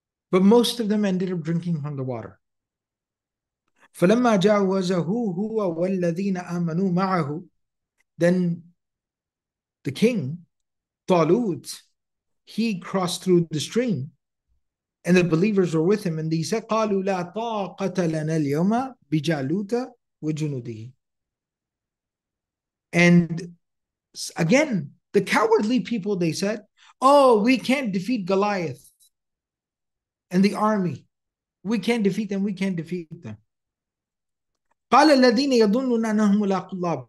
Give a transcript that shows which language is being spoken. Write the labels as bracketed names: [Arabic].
[English] But most of them ended up drinking from the water. [Arabic] فَلَمَّا جَعْوَزَهُ هُوَ وَالَّذِينَ آمَنُوا مَعَهُ. [English] Then the king, Talut, he crossed through the stream and the believers were with him. And he said, [Arabic] قَالُوا لَا طَاقَةَ لَنَا الْيَوْمَ بِجَالُوتَ وَجُنُودِهِ. [English] And again, the cowardly people, they said, oh, we can't defeat Goliath and the army. We can't defeat them. We can't defeat them. [Arabic] قَالَ الَّذِينَ يَظُنُّونَ أَنَّهُمْ مُلَاقُو اللَّهِ.